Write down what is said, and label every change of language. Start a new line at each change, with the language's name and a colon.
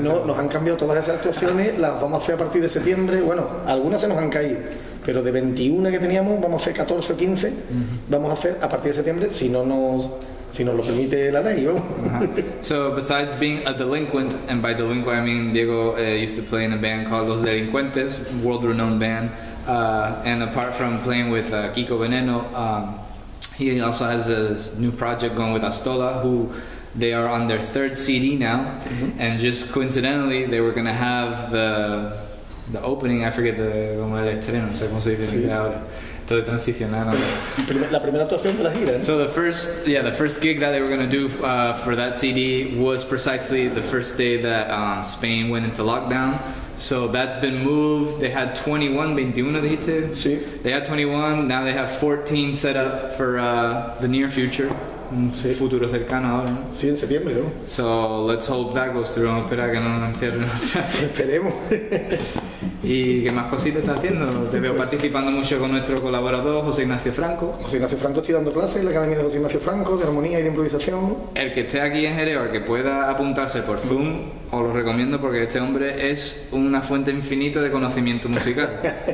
Spanish: No, nos han cambiado todas esas actuaciones, las vamos a hacer a partir de septiembre. Bueno, algunas se nos han caído, pero de 21 que teníamos, vamos a hacer 14 o 15, uh-huh. Vamos a hacer a partir de septiembre, si nos lo permite la ley, ¿no?
English: So, besides being a delinquent, and by delinquent I mean Diego used to play in a band called Los Delincuentes, world-renowned band, and apart from playing with Kiko Veneno, he also has this new project going with Astola, who they are on their 3rd CD now, mm-hmm. And just coincidentally, they were going to have the opening, I forget the...
Spanish: como el estreno, no sé cómo se dice ahora. De transicionar, ¿no? La primera actuación de la gira, ¿no?
English: So the first gig that they were going to do for that CD was precisely the first day that Spain went into lockdown. So that's been moved. They had 21,
Spanish: sí.
English: They had 21, now they have 14 set up for the near future.
Spanish: Sí. Futuro cercano ahora, ¿no? Sí, en septiembre, ¿no?
English: So let's hope that goes through.
Spanish: Vamos a esperar que no nos encierren otra vez. Esperemos. ¿Y qué más cositas estás haciendo? Te veo participando mucho con nuestro colaborador, José Ignacio Franco. José Ignacio Franco, estoy dando clases en la Academia de José Ignacio Franco, de armonía y de improvisación. El que esté aquí en Jerez o el que pueda apuntarse por Zoom, os lo recomiendo porque este hombre es una fuente infinita de conocimiento musical.